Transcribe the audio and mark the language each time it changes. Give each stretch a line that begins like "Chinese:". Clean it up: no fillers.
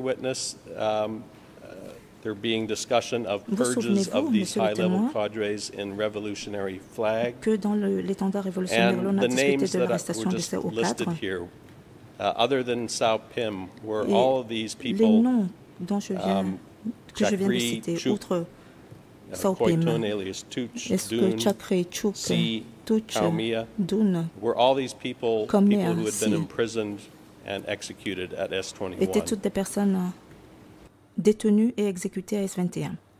English: Witness, there being discussion of purges of these high-level cadres in Revolutionary Flag,
French: que dans l'étendard révolutionnaire, l'on a discuté de l'arrestation de ces hauts cadres.
English: Other than Sao Pim, were all of these people,
French: les noms dont je viens, que je viens de citer, outre Sao Pim, est-ce que Chakri, Chouk, Duch, Doun,
English: were all these people who had been imprisoned and executed at S21?
French: Étaient toutes des personnes détenu et exécuté à S21.